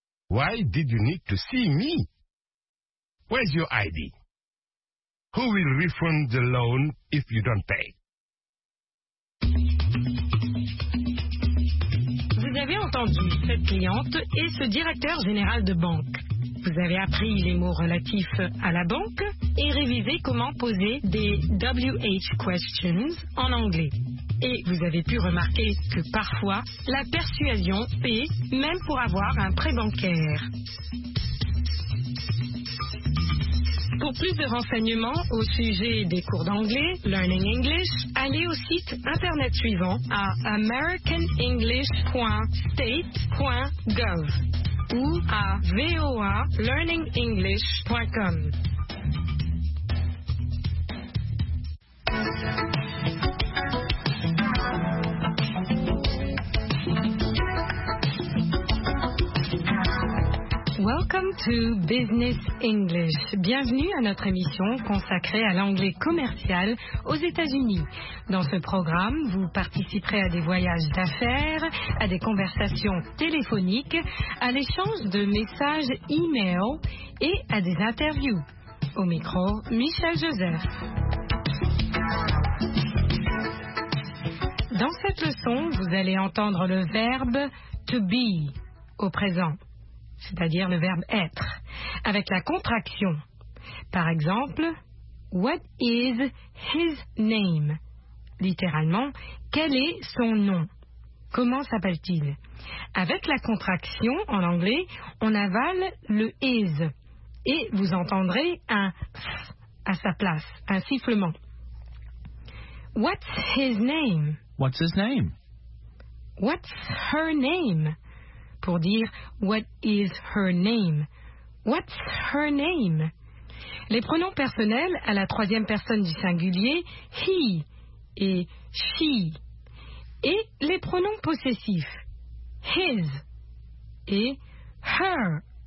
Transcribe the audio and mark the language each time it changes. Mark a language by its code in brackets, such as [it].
[en] Why did you need to see me? Where's your ID? Who will refund the loan if you don't pay? [fr] Vous avez entendu cette cliente et ce directeur général de banque. Vous avez appris les mots relatifs à la banque et révisé comment poser des WH questions en anglais. Et vous avez pu remarquer que parfois, la persuasion paie même pour avoir un prêt bancaire. Pour plus de renseignements au sujet des cours d'anglais, Learning English, allez au site internet suivant à americanenglish.state.gov ou à voalearningenglish.com. [en] Welcome to Business English. [fr] Bienvenue à notre émission consacrée à l'anglais commercial aux États-Unis. Dans ce programme, vous participerez à des voyages d'affaires, à des conversations téléphoniques, à l'échange de messages e-mail et à des interviews. Au micro, Michel Joseph. Dans cette leçon, vous allez entendre le verbe to be au présent. C'est-à-dire le verbe être, avec la contraction. Par exemple, [en] what is his name? [fr] Littéralement, quel est son nom? Comment s'appelle-t-il? Avec la contraction, en anglais, on avale le is et vous entendrez un s à sa place, un sifflement. [en] What's his name? What's his name? What's her name? [fr] Pour dire [en] what is her name? What's her name? [fr] Les pronoms personnels à la troisième personne du singulier, he et she. Et les pronoms possessifs, his et her.